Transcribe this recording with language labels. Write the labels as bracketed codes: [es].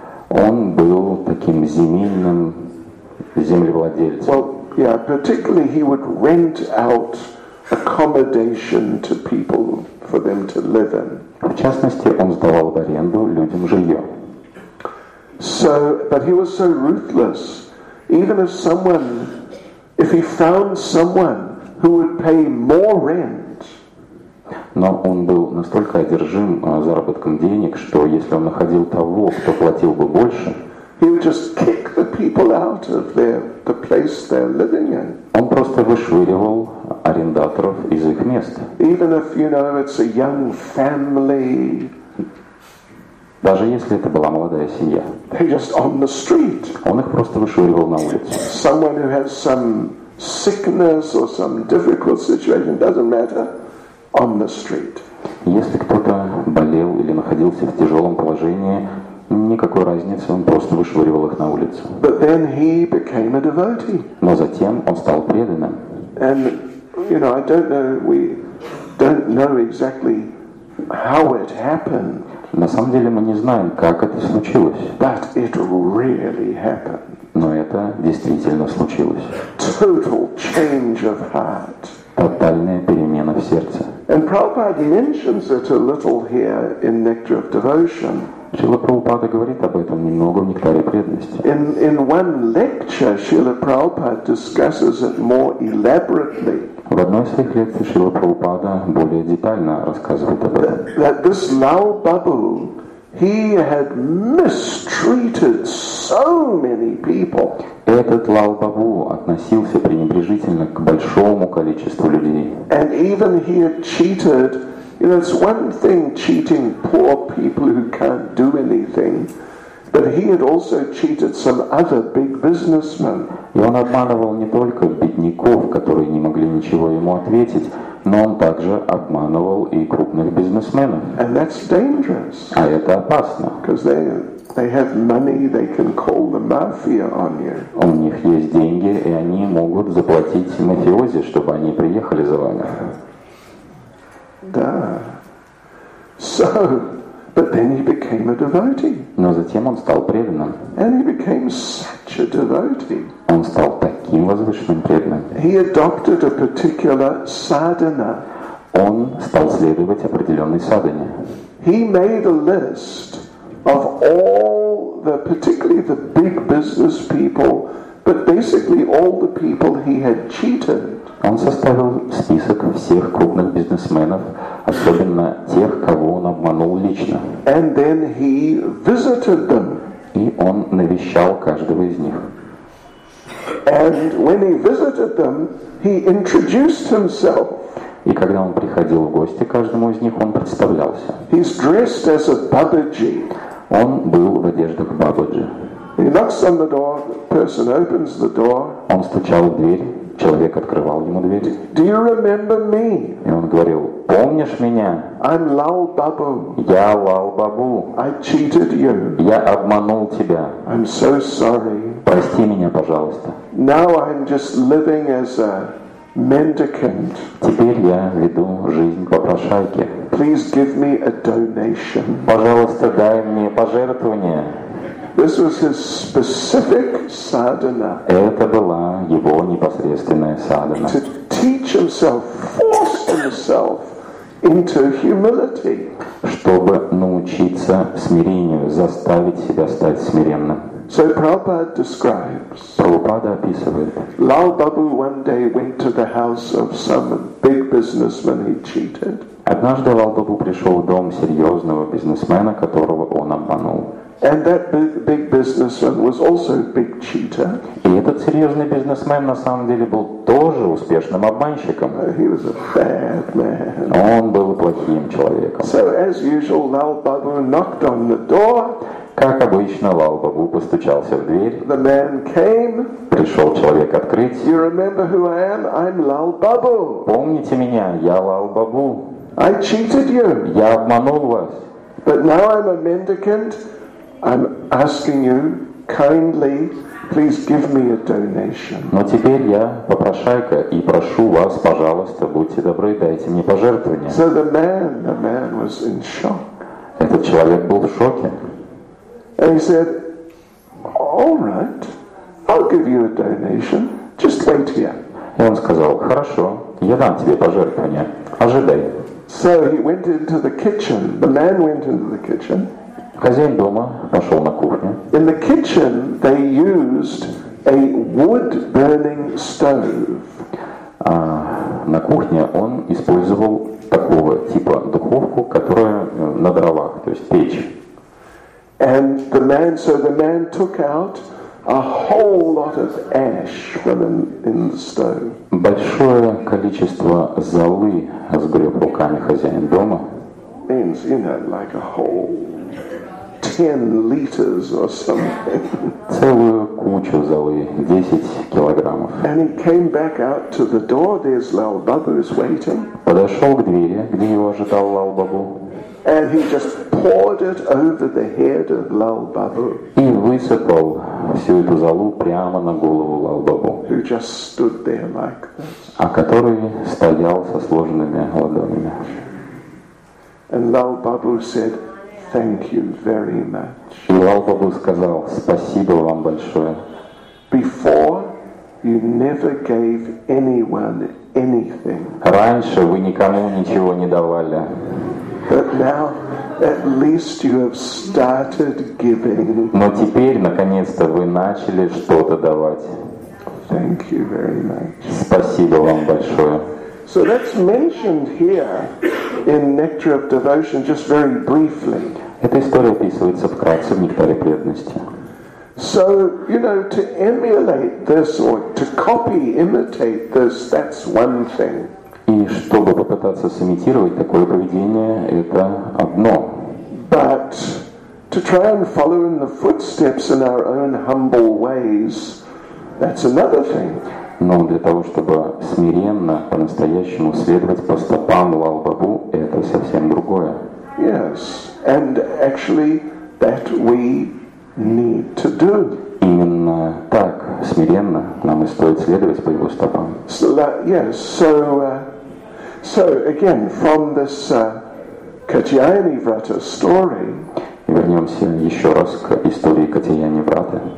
[ru] Он был таким земельным землевладельцем. [en] Well, yeah, particularly he would rent out accommodation to people for them to live in. [ru] В частности, он сдавал в аренду людям жилье. [en] So, but he was so ruthless. Even if someone, if he found someone who would pay more rent. [ru] Но он был настолько одержим заработком денег, что если он находил того, кто платил бы больше, [en] he would just kick the people out of the place they're living in. [ru] Он просто вышвыривал арендаторов из их места. [en] Even if, you know, it's a young family. [ru] Даже если это была молодая семья. [en] They just on the street. [ru] Он их просто вышвыривал на улицу. [en] Someone who has some sickness or some difficult situation, doesn't matter, on the street. [ru] Если кто-то болел или находился в тяжелом положении, никакой разницы, он просто вышвыривал их на улицу. [en] But then he became a devotee. [ru] Но затем он стал преданным. [en] And, you know, I don't know, we don't know exactly how it happened. [ru] На самом деле мы не знаем, как это случилось. [en] But it really happened. [ru] Но это действительно случилось. [en] Total change of heart. [ru] Тотальная перемена в сердце. [en] And Prabhupada mentions it a little here in Nectar of Devotion. [ru] Шрила Прабхупада говорит об этом немного в нектаре преданности. [en] In one lecture, Шрила Прабхупада discusses it more elaborately. [ru] В одной из своих лекций Шрила Прабхупада более детально рассказывает об этом. [en] That this Lal Babu, he had mistreated so many people. [ru] Этот Лал Бабу относился пренебрежительно к большому количеству людей. [en] And even he had cheated. You know, it's one thing cheating poor people who can't do anything, but he had also cheated some other big businessmen. [ru] И он обманывал не только бедняков, которые не могли ничего ему ответить, но он также обманывал и крупных бизнесменов. [en] And that's dangerous. [ru] А это опасно. [en] Because they have money, they can call the mafia on you. [ru] У них есть деньги, и они могут заплатить мафиози, чтобы они приехали за вами. [en] Да. So, but then he became a devotee. [ru] Но затем он стал преданным. [en] And he became such a devotee. [ru] Он стал таким возвышенным преданным. [en] He adopted a particular sadhana. [ru] Он стал следовать определенной садхане. [en] He made a list of all the, particularly the big business people, but basically all the people he had cheated. [ru] Он составил список всех крупных бизнесменов, особенно тех, кого он обманул лично. [en] And then he visited them. [ru] И он навещал каждого из них. [en] And when he visited them, he introduced himself. [ru] И когда он приходил в гости каждому из них, он представлялся. [en] He's dressed as a Babaji. [ru] Он был в одеждах Бабаджи. [en] He knocks on the door, person opens the door. [ru] Он стучал в дверь. Человек открывал ему дверь. [en] Do you remember me? [ru] И он говорил: помнишь меня? [en] I'm Lal Babu. [ru] Я Лал Бабу. [en] I cheated you. [ru] Я обманул тебя. [en] I'm so sorry. [ru] Прости меня, пожалуйста. [en] Now I'm just living as a mendicant. [ru] Теперь я веду жизнь попрошайки. [en] Please give me a donation. [ru] Пожалуйста, дай мне пожертвование. [en] This was his specific sadhana. [ru] Это была его непосредственная садхана. [en] To teach himself, force himself into humility. [ru] Чтобы научиться смирению, заставить себя стать смиренным. [en] So Prabhupada describes. [ru] Прабхупада описывает. [en] Lal Babu one day went to the house of some big businessman he cheated. [ru] Однажды Лал Бабу пришел в дом серьезного бизнесмена, которого он обманул. [en] And that big businessman was also a big cheater. [ru] И этот серьезный бизнесмен на самом деле был тоже успешным обманщиком. [en] He was a bad man. [ru] Он был плохим человеком. [en] So as usual, Lal Babu knocked on the door. [ru] Как обычно, Лал Бабу постучался в дверь. [en] The man came. [ru] Пришел человек открыть. [en] You remember who I am? I'm Lal Babu. [ru] Помните меня? Я Лал Бабу. [en] I cheated you. [ru] Я обманул вас. [en] But now I'm a mendicant. I'm asking you kindly, please give me a donation. [ru] Но теперь я попрошайка и прошу вас, пожалуйста, будьте добры, дайте мне пожертвование. [en] So the man was in shock. [ru] Этот человек был в шоке. [en] And he said, "All right, I'll give you a donation. Just wait here." [ru] И он сказал: "Хорошо, я дам тебе пожертвование. Ожидай." [en] So he went into the kitchen. The man went into the kitchen. [ru] Хозяин дома пошел на кухню. [en] In the kitchen they used a wood-burning stove. [ru] На кухне он использовал такого типа духовку, которая на дровах, то есть печь. [en] And the man took out a whole lot of ash from in the stove. [ru] Большое количество золы сгреб руками хозяин дома. [en] Means, you know, like a whole 10 liters or something. [ru] Целую кучу золы, 10 килограммов. [en] And he came back out to the door. There's Lal Babu is waiting. [ru] Подошел к двери, где его ожидал Лал Бабу. [en] And he just poured it over the head of Lal Babu. [ru] И высыпал всю эту золу прямо на голову Лал Бабу. [en] Who just stood there like this. [ru] А который стоял со сложенными ладонями. [en] And Lal Babu said, "Thank you very much." [ru] И Лал Бабу сказал: "Спасибо вам большое." [en] Before, you never gave anyone anything. [ru] Раньше вы никому ничего не давали. [en] But now, at least you have started giving. [ru] Но теперь, наконец-то, вы начали что-то давать. [en] Thank you very much. [ru] Спасибо вам большое. [en] So that's mentioned here in Nectar of Devotion just very briefly. [ru] Эта история описывается вкратце в Нектаре преданности. [en] So, you know, to emulate this or to copy, imitate this, that's one thing. [ru] И чтобы попытаться сымитировать такое поведение, это одно. [en] But to try and follow in the footsteps in our own humble ways, that's another thing. [ru] Но для того, чтобы смиренно, по-настоящему следовать по стопам Лал Бабу, это совсем другое. [en] Yes, and actually that we need to do. [ru] Именно так, смиренно, нам и стоит следовать по его стопам. [en] So that, yes, so again, from this Катьяйани Врата story. [ru] И вернемся еще раз к истории Катьяйани Врата.